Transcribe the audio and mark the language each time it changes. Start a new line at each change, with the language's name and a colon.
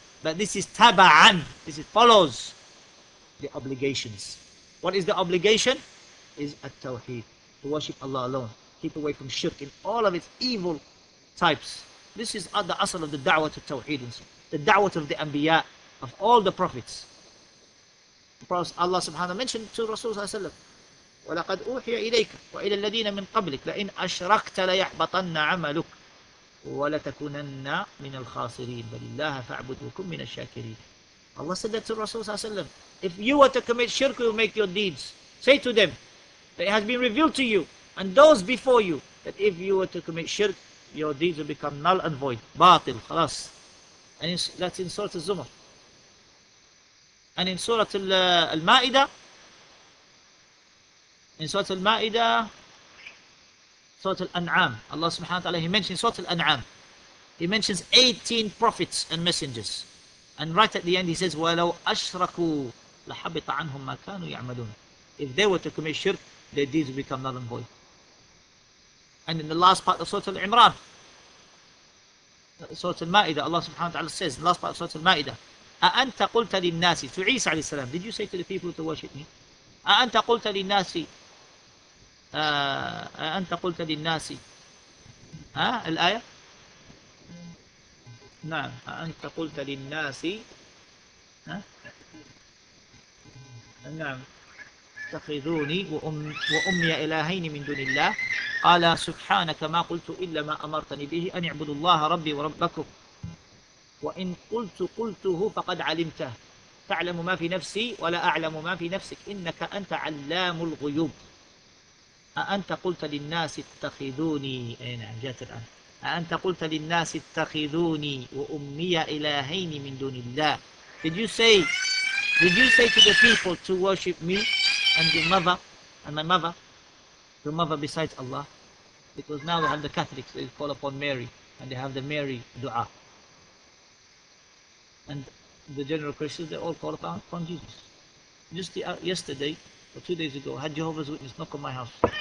English: But this is taba'an. This is follows the obligations. What is the obligation? Is at-tawheed. To worship Allah alone. Keep away from shirk in all of its evil types. This is the asal of the da'wah to tawheed. The da'wah of the anbiya, of all the prophets. Because Allah subhanahu wa ta'ala mentioned to Rasulullah sallallahu alayhi wa sallam,
Arabic: وَلَقَدْ أُوحِيَ إِلَيْكَ وَإِلَى الَّذِينَ مِنْ قَبْلِكَ لَإِنْ أَشْرَكْتَ لَيَحْبَطَنَّ عَمَلُكَ وَلَتَكُونَنَّ مِنَ الْخَاسِرِينَ بَلِ اللَّهَ فَاعْبُدُكُمْ مِنَ الشَّاكِرِينَ.
English: Allah said that to Rasulullah sallallahu alayhi wa sallam, if you were to commit shirk, you will make your deeds. Say to them that it has been revealed to you and those before you that if you were to commit shirk, your deeds will become null and void.
Arabic: Batil, khalas.
English: And that's in Surah Al-Zumar. And in Surah Al-Ma'idah, in Surah Al-Ma'idah, Surah Al-An'am, Allah subhanahu wa ta'ala, he mentions Surah Al-An'am. He mentions 18 prophets and messengers. And right at the end he says,
Arabic: وَلَوْ أَشْرَكُوا لَحَبِطَ عَنْهُمْ مَا كَانُوا يَعْمَلُونَ.
English: If they were to commit shirk, their deeds would become null and void. And in the last part of Surah Al-Imran, Surah Al-Ma'idah, Allah subhanahu wa ta'ala says, in the last part of Surah Al-Ma'idah,
Arabic: أَأَنْتَ قُلْتَ لِلنَّاسِ,
English: to Isa alayhi salam, did you say to the people to worship me?
Arabic: أَأَنْتَ قُلْتَ لِلنَّاسِ, أنت قلت للناس ها الآية نعم أنت قلت للناس ها نعم اتخذوني وأمي إلهين من دون الله قال سبحانك ما قلت إلا ما أمرتني به أن اعبدوا الله ربي وربكم وإن قلته فقد علمته تعلم ما في نفسي ولا أعلم ما في نفسك إنك أنت علام الغيوب أأنت قلت للناس اتخذوني أي نعم جاءت الآن أأنت قلت للناس اتخذوني وأمي إلهين من دون الله.
English: Did you say to the people to worship me and your mother and my mother, your mother besides Allah? Because now we have the Catholics, they call upon Mary and they have the Mary dua. And the general Christians, they all call upon Jesus. Yesterday or 2 days ago, I had Jehovah's Witness knock on my house.